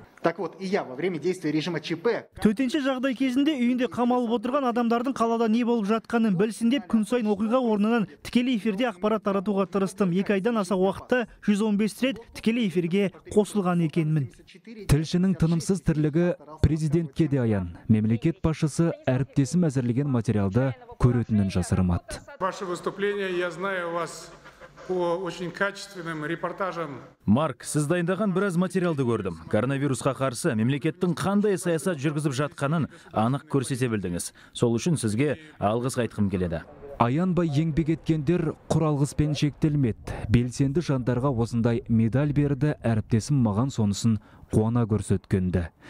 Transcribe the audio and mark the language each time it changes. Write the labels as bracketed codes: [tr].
[kk] Төтенше жағдай кезінде үйінде қамалып отырған адамдардың қалада не болып жатқанын білсін деп күн сайын оқиға орнынан тікелей эфирде ақпарат таратуға тырыстым. 2 айдан аса уақытта 115 рет тікелей эфирге қосылған екенмін. Тілшінің тынымсыз тірлігі президентке де аян. Мемлекет басшысы әріптесім әзірлеген материалды көретінін жасырмады. [ru] Ваше выступление, я знаю вас по очень качественным репортажам. [kk] Марк, сіз дайындаған біраз материалды көрдім. Коронавирусқа қарсы мемлекеттің қандай саясат жүргізіп жатқанын анық көрсете білдіңіз. Сол үшін сізге алғыс айтқым келеді. Аянбай еңбек еткендер құралғыспен шектелмеді. Белсенді жандарға осындай медаль берді әріптесім маған сонысын қуана көрсеткенді.